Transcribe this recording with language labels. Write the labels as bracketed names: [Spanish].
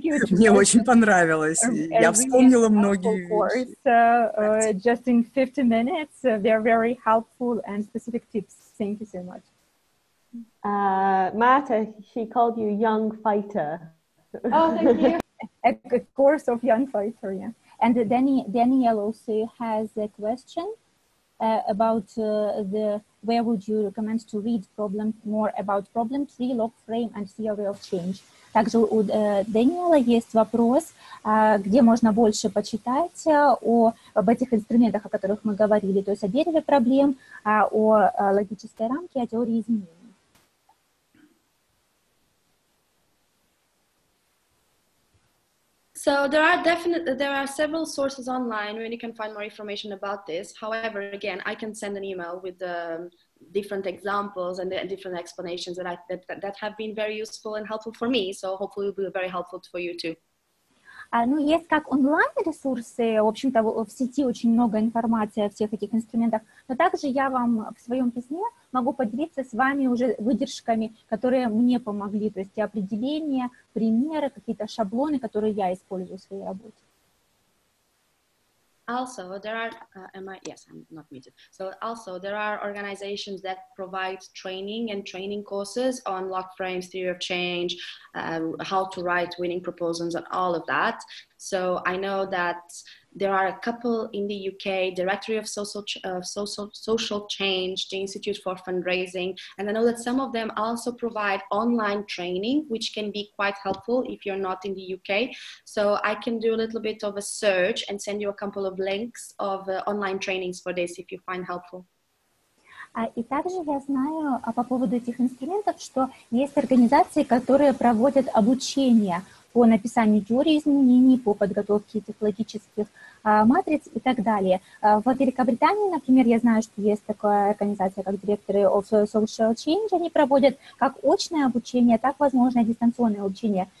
[Russian] Мне очень понравилось. Я вспомнила многие вещи. [English] Just in 50 minutes, they're very helpful and specific tips. Thank you so much. Marta, she called you young fighter. Oh, thank you. A course of young fighter, yeah. And Daniel also has a question about the where would you recommend to read problem more about problem tree, log frame and theory of change. [Russian] Также у Даниэла есть вопрос, где можно больше почитать об этих инструментах, о которых мы говорили, то есть о дереве проблем, о логической рамке, о теории изменений. [English] So there are several sources online where you can find more information about this. However, again, I can send an email with the different examples and the different explanations that have been very useful and helpful for me. So hopefully it will be very helpful for you too. [Russian] Ну, есть как онлайн-ресурсы, в общем-то, в сети очень много информации о всех этих инструментах, но также я вам в своем письме могу поделиться с вами уже выдержками, которые мне помогли, то есть определения, примеры, какие-то шаблоны, которые я использую в своей работе. [English] Also, there are, I'm not muted. So also, there are organizations that provide training courses on lock frames, theory of change, how to write winning proposals and all of that. So I know that there are a couple in the UK, Directory of Social Change, the Institute for Fundraising. And I know that some of them also provide online training, which can be quite helpful if you're not in the UK. So I can do a little bit of a search and send you a couple of links of online trainings for this, if you find helpful. [Russian] И также я знаю по поводу этих инструментов, что есть организации, которые проводят обучение по написанию теории изменений, по подготовке этих логических матриц и так далее. В Великобритании, например, я знаю, что есть такая организация, как Directory of Social Change, они проводят как очное обучение, так, возможно, дистанционное обучение.